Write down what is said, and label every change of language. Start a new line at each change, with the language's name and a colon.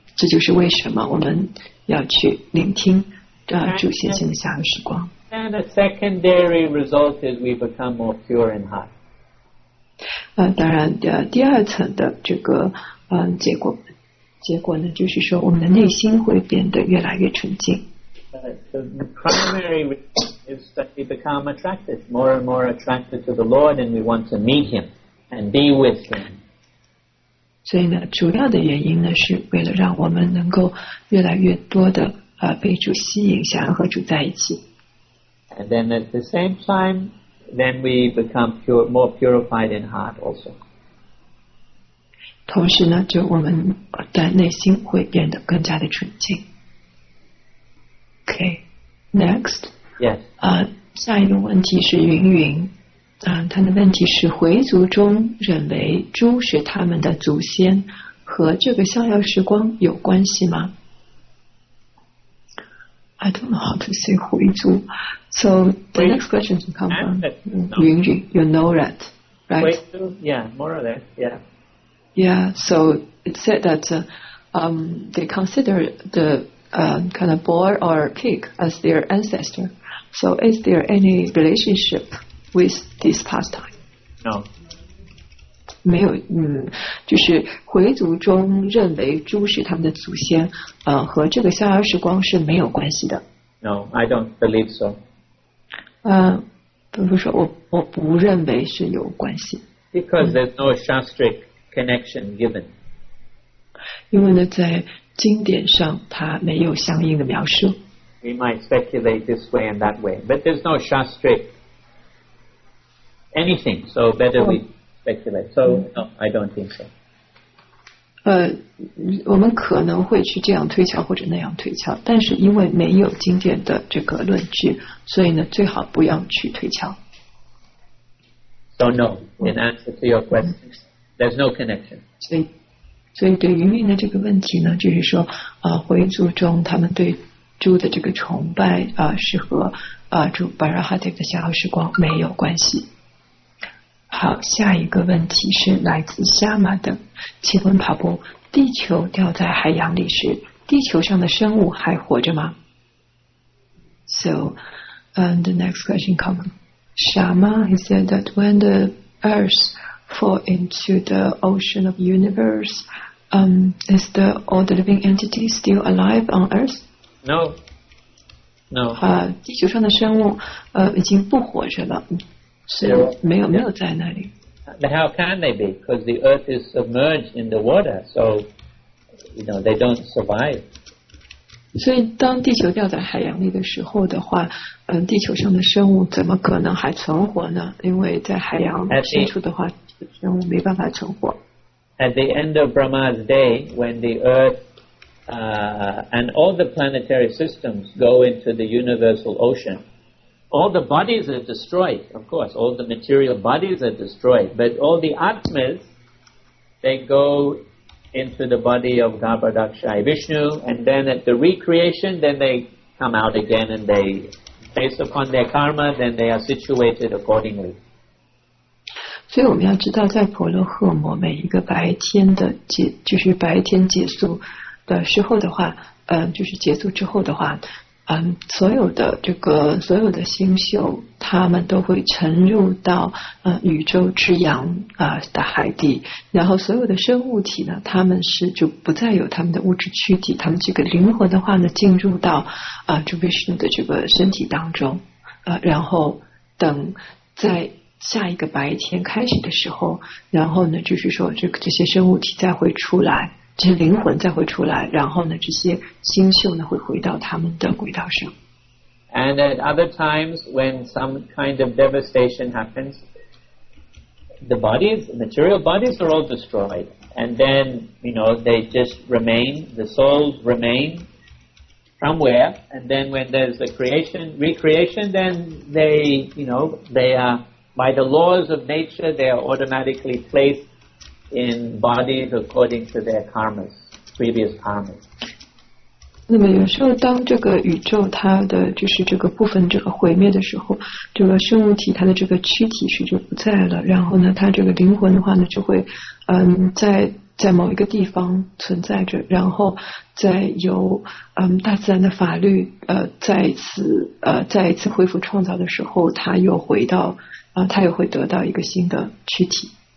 Chinese: 这就是为什么我们要去聆听主显现的下个时光。
English: And a secondary result is we become more pure in heart.
Chinese: 当然第二层的这个结果呢，就是说我们的内心会变得越来越纯净。
English: The primary result is that we become attracted, more and more attracted to the Lord, and we want to meet him and be with him.
Chinese: 所以呢，主要的原因呢，是为了让我们能够越来越多的被主吸引，想要和主在一起。
English: And then at the same time, then we become pure, more purified in heart also.
Chinese: 同时呢，就我们的内心会变得更加的纯净。
English: Okay, next. Yes.
Chinese: 下一个问题是云云，他的问题是回族中认为猪是他们的祖先，和这个逍遥时光有关系吗？
English: I don't know how to say 回族 So the next question can come from Yun Yun. You know that, right? 回族, yeah, more or less, yeah. Yeah, so it said that they consider the kind of boar or pig as their ancestor. So is there any relationship with this pastime? No.
Chinese: 没有，就是回族中认为猪是他们的祖先，和这个逍遥时光是没有关系的。
English: No, I don't believe so.
Chinese: 比如说我不认为是有关系。
English: Because there's no Shastric connection given.
Chinese: 因为呢，在经典上它没有相应的描述。
English: We might speculate this way and that way, but there's no Shastric anything, so better we.Speculate. So, no, I don't think so.
Chinese: 我们可能会去这样推敲或者那样推敲，但是因为没有经典的这个论据，所以呢，最好不要去推敲。
English: So no, in answer to your question, there's no connection.
Chinese: 所以对云云的这个问题呢，就是说，回族中他们对猪的这个崇拜啊、是和猪巴拉哈德的夏后时光没有关系。好，下一个问题是来自夏马的，请问帕布，地球掉在海洋里时，地球上的生物还活着吗 ？
English: So, and the next question comes. Shama, he said that when the Earth fall into the ocean of universe, is the all the living entity still alive on Earth? No. No.
Chinese: 地球上的生物已经不活着了。
English: But how can they be? Because the earth is submerged in the water, so you know they don't survive.
Chinese: 所以当地球掉在海洋里的时候的话，地球上的生物怎么可能还存活呢？因为在海洋深处的话，生物没办法存活。
English: At the end of Brahma's day, when the earth and all the planetary systems go into the universal ocean. All the bodies are destroyed, of course, all the material bodies are destroyed, but all the atmas, they go into the body of Garbhadakshay Vishnu, and then at the recreation, then they come out again, and they, based upon their karma, then they are situated accordingly.
Chinese: 所以我们要知道在婆罗赫摩每一个白天的就是白天结束的时候的话就是结束之后的话所有的这个所有的星宿，他们都会沉入到宇宙之阳的海底，然后所有的生物体呢，他们是就不再有他们的物质躯体，他们这个灵魂的话呢，进入到诸比士的这个身体当中，然后等在下一个白天开始的时候，然后呢，就是说这些生物体再会出来。这灵魂再会出来，然后呢，这些星宿呢会回到他们的轨道上。
English: And at other times, when some kind of devastation happens, the bodies, the material bodies, are all destroyed, and then you know they just remain. The souls remain from where, and then when there's a creation, recreation, then they, you know, they are by the laws of nature, they are automatically placed. In bodies according to their karmas, previous karmas.
Chinese: 那么有时候当这个宇宙它的就是这个部分这个毁灭的时候，这个生物体它的这个躯体是就不在了，然后呢，它这个灵魂的话呢就会，在某一个地方存在着，然后再由大自然的法律再一次恢复创造的时候，它又回到它又会得到一个新的躯体。